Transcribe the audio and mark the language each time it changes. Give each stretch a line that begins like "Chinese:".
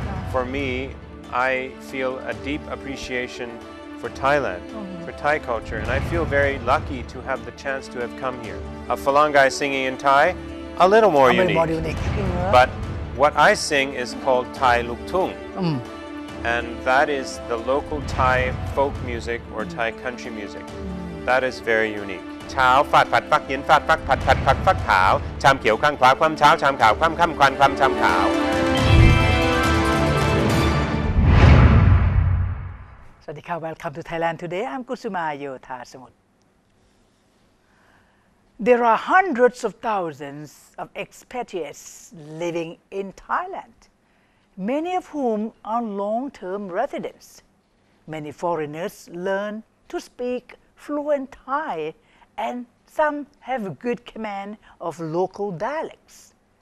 English: for me, I feel a deep appreciation for Thailand, for Thai culture, and I feel very lucky to have the chance to have come here. A Falangai singing in Thai, a little more unique. But what I sing is called Thai Luktung. And that is the local Thai folk music or Thai country music. That is very unique.
Thai: เช้าฟาดผัดฟักเย็นฟาดฟักผัดผัดฟักฟักขาวชามเขียวข้างขวาความเช้าชามขาวความค่ำควันความชามขาว สวัสดีครับ
English: Welcome to Thailand Today I'm Kusuma โยธาสมุทร There are hundreds of thousands of expatriates living in Thailand many of whom are long-term residents many foreigners learn to speak fluent ThaiAnd some have a good command of local dialects.